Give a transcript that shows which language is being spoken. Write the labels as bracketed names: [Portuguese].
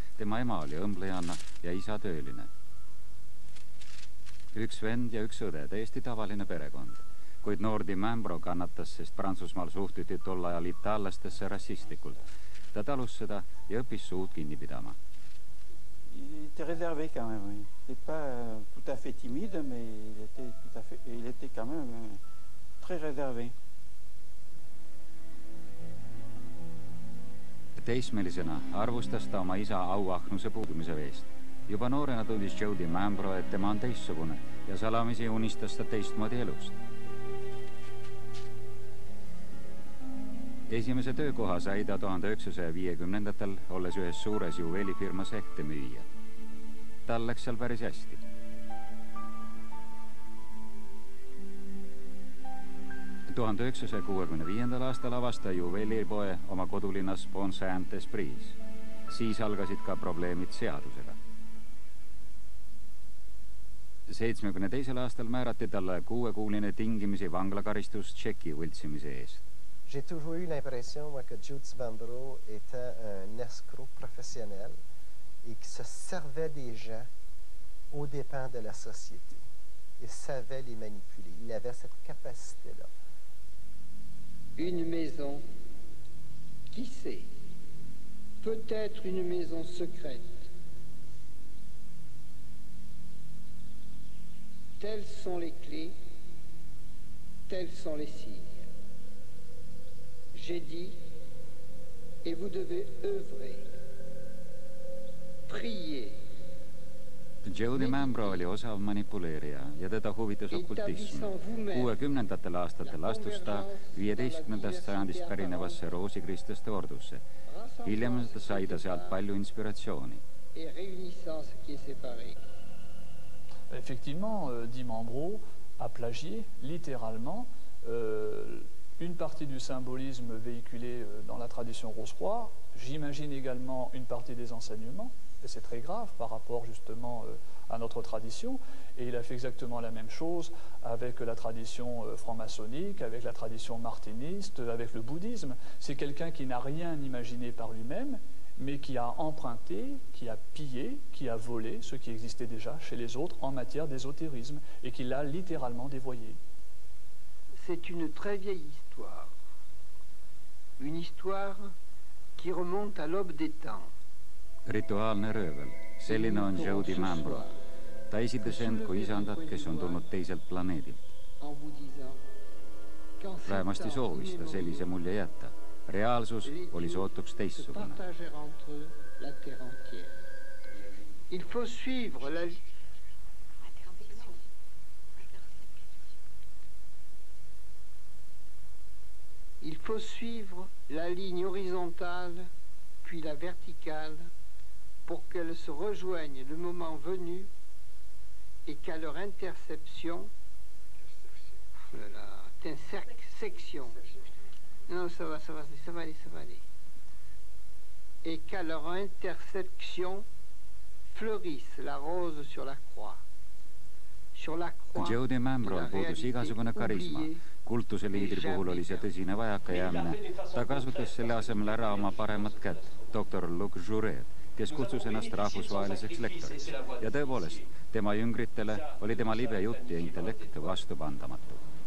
[Estonian] Tema ema oli õmblejanna ja isa tööline. Üks vend ja üks õde, täiesti tavaline perekond. Kuid noor DiMambro kannatas, sest Prantsusmaal suhtuti tol ajal itaallastesse rassistlikult. Ta talus seda ja õppis suud kinni pidama. [French] Était réservé quand même. Il n'était pas tout à fait timide, mais il était quand même très réservé. [Estonian] Teismelisena arvustas ta oma isa auahnuse puudumise veest. Juba noorena tundis Joe DiMambro, et tema on teissugune ja salamisi unistas ta teistmoodi elust. Esimese töökoha sai ta 1950. Olles ühes suures juveelifirmas ehte müüja. Tal läks seal päris hästi. Ja 1965. aastal avasta juveelipoe oma kodulinnas Bon Saint-Esprit. Siis algasid ka probleemid seadusega. 72. aastal määrati talle 6-kuuline tingimisi vanglakaristus tšeki võltsimise eest. [French] J'ai toujours eu l'impression que Jude Bambro était un escroc professionnel et que se servait des gens au dépens de la société. Il savait les manipuler. Il avait cette capacité-là. Une maison, qui sait, peut-être une maison secrète. Telles sont les clés, tels sont les signes. J'ai dit, et vous devez œuvrer, prier. [Estonian] Joe DiMambro oli osav manipuleerija ja teda huvitas okkultism. 60. aastatel astus ta 15. sajandist pärinevasse roosikristlaste ordusse. Hiljem sai ta sealt palju inspiratsiooni. [French] Effectivement, Dimambro a plagié littéralement une partie du symbolisme véhiculé dans la tradition Rose-Croix. J'imagine également une partie des enseignements, et c'est très grave par rapport justement à notre tradition. Et il a fait exactement la même chose avec la tradition franc-maçonnique, avec la tradition martiniste, avec le bouddhisme. C'est quelqu'un qui n'a rien imaginé par lui-même, mais qui a emprunté, qui a pillé, qui a volé ce qui existait déjà chez les autres en matière d'ésotérisme, et qui l'a littéralement dévoyé. C'est une très vieille histoire. Une histoire qui remonte à l'aube des temps. [Estonian] Rituaalne röövel, selline on Joe Dimambro. Ta esitas end kui isandat, kes on tulnud teiselt planeedilt. Vähemasti soovis ta sellise mulje jätta. Reaalsus oli sootuks teistsugune. [French] Il faut suivre la... Il faut suivre la ligne horizontale, puis la verticale, pour qu'elles se rejoignent le moment venu et qu'à leur interception... Intersection. Non, ça va aller. Et qu'à leur interception fleurisse la rose sur la croix. Sur la croix... [Estonian] Joe Dimambro puudus igasugune karisma. Kultuseliidri puhul oli see tõsine vajakajäämine. Ta kasutas selle asemel ära oma paremat kätt, doktor Luc Jouret, kes kutsus ennast rahvusvaheliseks lektoriks. Ja tõepoolest, tema jüngritele oli tema libe jutt ja intellekt vastupandamatu.